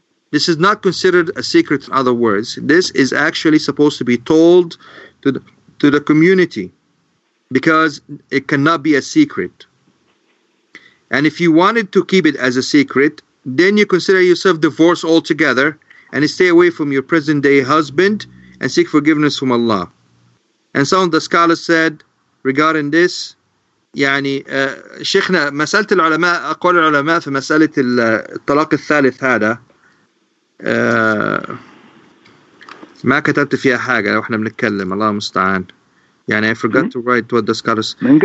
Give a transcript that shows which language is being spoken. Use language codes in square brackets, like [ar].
[en] This is not considered a secret, in other words. This is actually supposed to be told to the community, because it cannot be a secret. And if you wanted to keep it as a secret, then you consider yourself divorced altogether and stay away from your present day husband and seek forgiveness from Allah. And some of the scholars said regarding this, [ar] يعني شيخنا مسألة العلماء أقوال العلماء في مسألة الطلاق الثالث هذا ما كتبت فيها حاجة وإحنا بنتكلم الله مستعان. يعني [en] I forgot to write what the scholars.